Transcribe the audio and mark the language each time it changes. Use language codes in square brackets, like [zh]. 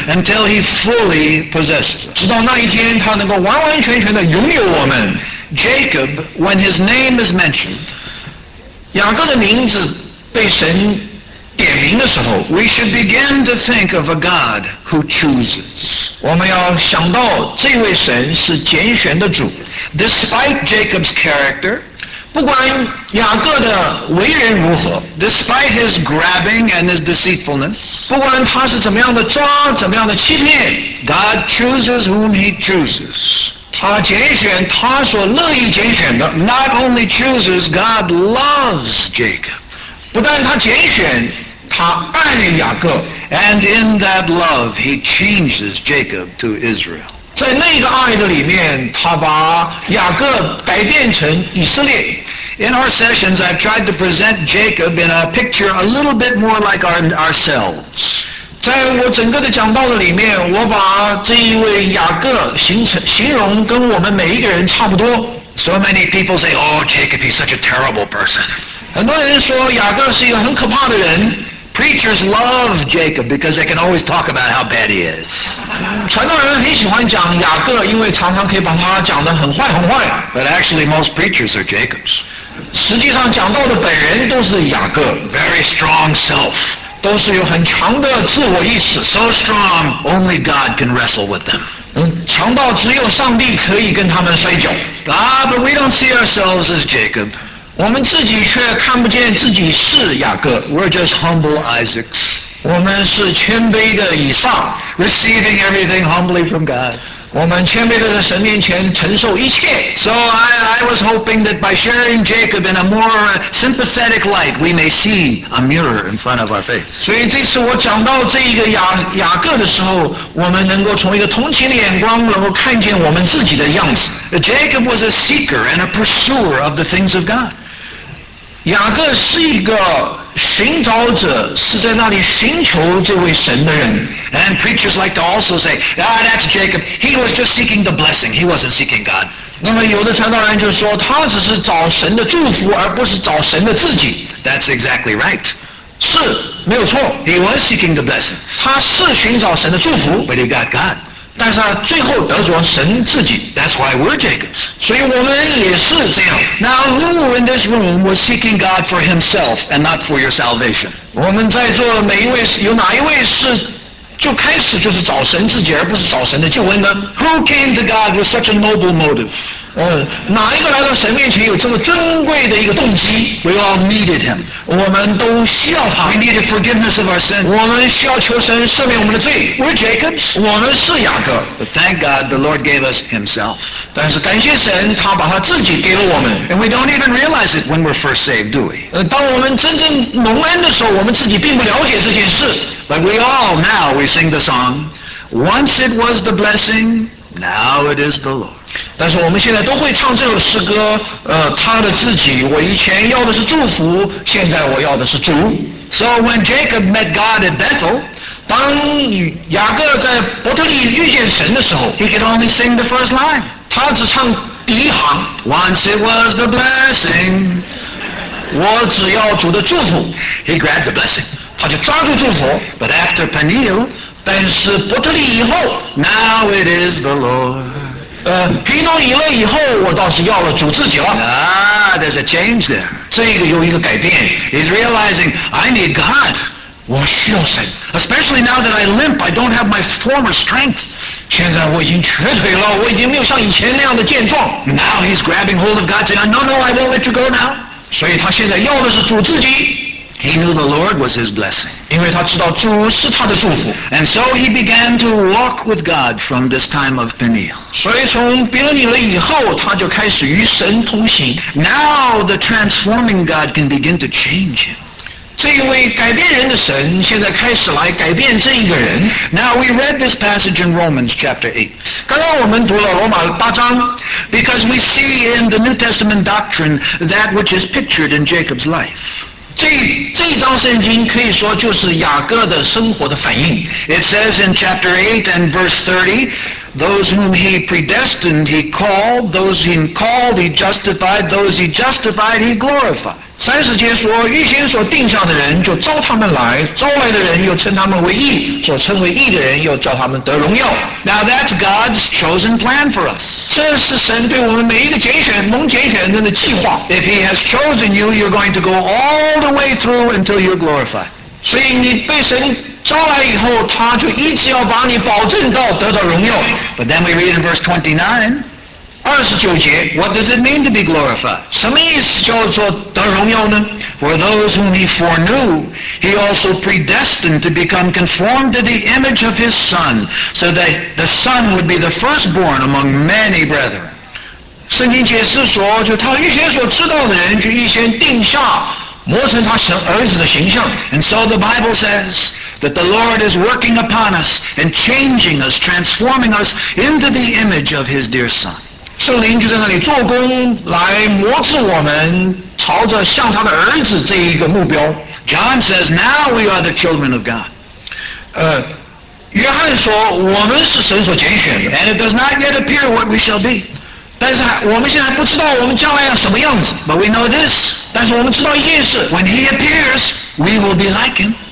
[en] Until he fully possesses us [zh] 直到那一天他能够完完全全地拥有我们 [en] Jacob, when his name is mentioned [zh] 雅各的名字被神点名的时候 [en] We should begin to think of a God who chooses [zh] 我们要想到这位神是拣选的主 [en] Despite Jacob's character [zh] 不管雅各的为人如何 [en] Despite his grabbing and his deceitfulness [zh] 不管他是怎么样的抓怎么样的欺骗 [en] God chooses whom he chooses [zh] 他拣选他所乐意拣选的 [en] Not only chooses, God loves Jacob [zh] 不但他拣选他爱雅各 [en] And in that love he changes Jacob to Israel [zh] 在那个爱的里面他把雅各改变成以色列 [en] In our sessions I've tried to present Jacob in a picture a little bit more like ourselves [zh] 在我整个的讲道的里面我把这一位雅各 形容跟我们每一个人差不多 [en] So many people say, oh Jacob, he's such a terrible person [zh] 很多人说雅各是一个很可怕的人 [en] Preachers love Jacob because they can always talk about how bad he is. [zh] 传道人很喜欢讲雅各，因为常常可以把他讲得很坏很坏。 [en] But actually, most preachers are Jacobs. [zh] 实际上，讲道的本人都是雅各。 [en] Very strong self. [zh] 都是有很强的自我意识。 [en] So strong, only God can wrestle with them. [zh] 强到只有上帝可以跟他们摔跤。 [en] But we don't see ourselves as Jacob. [zh] 我们自己却看不见自己是雅各 [en] We're just humble Isaacs [zh] 我们是谦卑的以撒 [en] Receiving everything humbly from God [zh] 我们谦卑的在神面前承受一切 [en] So I was hoping that by sharing Jacob in a more sympathetic light We may see a mirror in front of our face [zh] 所以这次我讲到这一个 雅各的时候我们能够从一个同情的眼光能够看见我们自己的样子 [en] Jacob was a seeker and a pursuer of the things of God [zh] 雅各是一个寻找者是在那里寻求这位神的人 [en] And preachers like to also say Ah, that's Jacob He was just seeking the blessing He wasn't seeking God [zh] 那么有的传道人就说他只是找神的祝福而不是找神的自己 [en] That's exactly right [zh] 是没有错 [en] He was seeking the blessing [zh] 他是寻找神的祝福 [en] But he got God [zh] 但是他最后得着神自己 [en] That's why we're Jacob [zh] 所以我们也是这样 [en] Now who in this room was seeking God for himself and not for your salvation? [zh] 我们在座每一位有哪一位是就开始就是找神自己而不是找神的救恩呢 [en] Who came to God with such a noble motive? [zh] 哪一个来到神面前有这么尊贵的一个动机？ [en] We all needed him. [zh] 我们都需要他。 [en] We needed forgiveness of our sin. [zh] 我们需要求神赦免我们的罪。 [en] We're Jacob's. [zh] 我们是雅各。 [en] But thank God, the Lord gave us himself. [zh] 但是感谢神，他把他自己给了我们。 [en] And we don't even realize it when we're first saved, do we? [zh] 当我们真正蒙恩的时候，我们自己并不了解这件事。 [en] But we all now, we sing the song, once it was the blessing, now it is the Lord. [zh] 但是我们现在都会唱这首诗歌，他的自己，我以前要的是祝福，现在我要的是主。 [en] So when Jacob met God at Bethel, [zh] 当雅各在伯特利遇见神的时候 [en] ，He could only sing the first line. [zh] 他只唱第一行。 [en] Once it was the blessing. [zh] 我只要主的祝福。 [en] He grabbed the blessing. [zh] 他就抓住祝福。 [en] But after Peniel, [zh] 但是伯特利以后 [en] ，Now it is the Lord. [zh] 皮诺以勒以后，我倒是要了主自己了。 [en] There's a change there. [zh] 这个有一个改变。 [en] He's realizing I need God. [zh] 我需要神。 [en] Especially now that I limp, I don't have my former strength. [zh] 现在我已经瘸腿了，我已经没有像以前那样的健壮。 [en] Now he's grabbing hold of God, saying, No, I won't let you go now. [zh] 所以他现在要的是主自己。 [en] He knew the Lord was his blessing. [zh] 因为他知道主是他的祝福。 [en] And so he began to walk with God from this time of Peniel. [zh] 所以从比勒尼勒以后，他就开始与神同行。 [en] Now the transforming God can begin to change him. [zh] 这一位改变人的神现在开始来改变这一个人。 [en] Now we read this passage in Romans chapter 8. [zh] 刚刚我们读了罗马八章。 [en] Because we see in the New Testament doctrine that which is pictured in Jacob's life. [zh] 这一章圣经可以说就是雅各的生活的反应。 [en] It says in chapter 8 and verse 30, those whom he predestined he called, those he called he justified, those he justified he glorified. [zh] 三十节说，预先所定下的人就招他们来，招来的人又称他们为义，所称为义的人又叫他们得荣耀。 [en] Now that's God's chosen plan for us. [zh] 这是神对我们每一个拣选、蒙拣选人的计划。 [en] If he has chosen you, you're going to go all the way through until you're glorified. [zh] 所以你被神招来以后，他就一直要把你保证到得到荣耀。 [en] But then we read in verse 29. [zh] 29节 [en] What does it mean to be glorified? [zh] 什么意思叫做得荣耀呢 [en] For those whom he foreknew, he also predestined to become conformed to the image of his son, so that the son would be the firstborn among many brethren. [zh] 圣经解释说，就他预先所知道的人，就预先定下磨成他神儿子的形象。 [en] And so the Bible says that the Lord is working upon us and changing us, transforming us into the image of his dear son. [zh] 圣灵就在那里做工，来磨制我们，朝着像他的儿子这一个目标。 [en] John says, "Now we are the children of God." [zh] 约翰说，我们是神所拣选的。 [en] And it does not yet appear what we shall be. [zh] 但是我们现在不知道我们将来要什么样子。 [en] But we know this. [zh] 但是我们知道一件事。 [en] When He appears, we will be like Him.